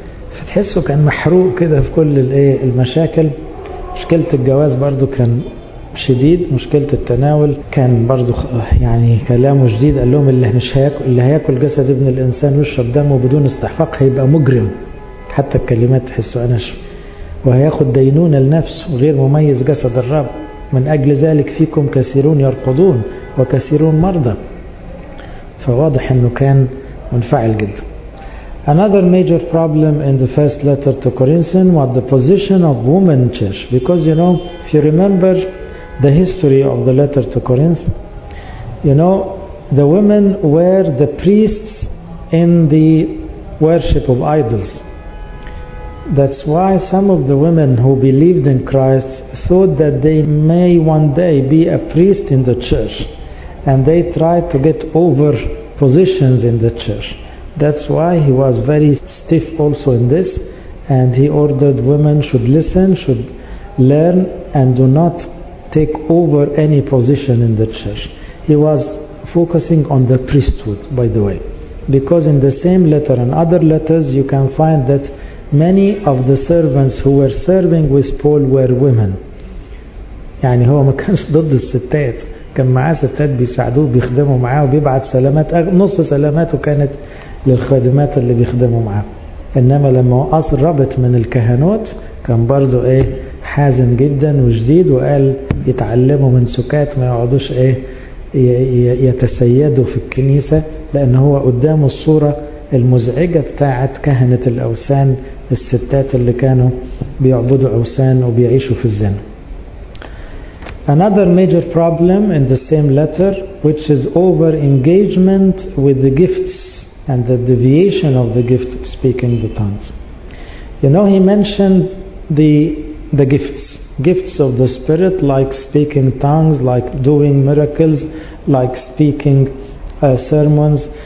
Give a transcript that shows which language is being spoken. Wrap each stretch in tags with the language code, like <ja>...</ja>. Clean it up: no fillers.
<ar>فتحسوا كان محروق كده في كل المشاكل. مشكلة الجواز برضو كان شديد، مشكلة التناول كان برضو يعني كلامه شديد، قال لهم اللي مش هياكل اللي هياكل جسد ابن الانسان ويشرب دمه بدون استحقاق هيبقى مجرم. حتى الكلمات تحسوا انش، وهياخد دينونة لنفسه غير مميز جسد الرب. من اجل ذلك فيكم كثيرون يرقدون وكثيرون مرضى. فواضح انه كان منفعل جدا.</ar> <en>Another major problem in the first letter to Corinthians was the position of women in church. Because, you know, if you remember the history of the letter to Corinth, you know, the women were the priests in the worship of idols. That's why some of the women who believed in Christ thought that they may one day be a priest in the church, and they tried to get over positions in the church. That's why he was very stiff also in this, and he ordered women should listen, should learn, and do not take over any position in the church. He was focusing on the priesthood, by the way, because in the same letter and other letters you can find that many of the servants who were serving with Paul were women.</en> <ar>يعني هو ما كانش ضد الستات، كان معاه ستات بيساعدوه بيخدموا معاه وبيبعت سلامات، نص سلاماته كانت للخادمات اللي بيخدموا معاه. إنما لما وقص الربط من الكهنوت كان برضو حازم جدا وشديد، وقال يتعلموا من سكات، ما يقعدوش يتسيدوا في الكنيسة، لأن هو قدامه الصورة المزعجة بتاعت كهنة الأوثان، الستات اللي كانوا بيعبدوا أوثان وبيعيشوا في الزنا.</ar> <en>Another major problem in the same letter, which is over engagement with the gifts and the deviation of the gift of speaking the tongues. You know, he mentioned the gifts of the Spirit, like speaking tongues, like doing miracles, like speaking sermons.</en>